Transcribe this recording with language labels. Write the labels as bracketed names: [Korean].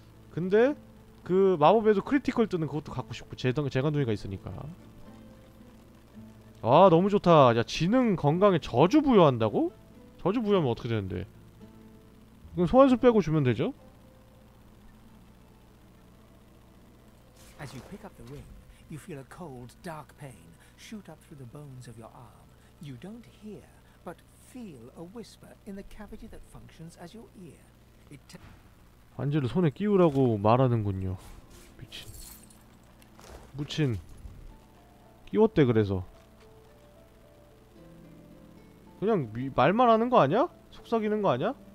[Korean] 근데 그 마법에도 크리티컬 뜨는 그것도 갖고 싶고 재간둥이가 있으니까. 아, 너무 좋다. 야, 지능 건강에 저주 부여한다고? 저주 부여하면 어떻게 되는데? 그럼 소환수 빼고 주면 되죠? [English] As you pick up the ring, you feel a cold, dark pain shoot up through the bones of your arm. You don't hear, but feel a whisper in the cavity that functions as your ear. [Korean] 환자를 손에 끼우라고 말하는군요. 미친. 무친. 끼웠대 그래서. 그냥 말만 하는 거 아니야? 속삭이는 거 아니야?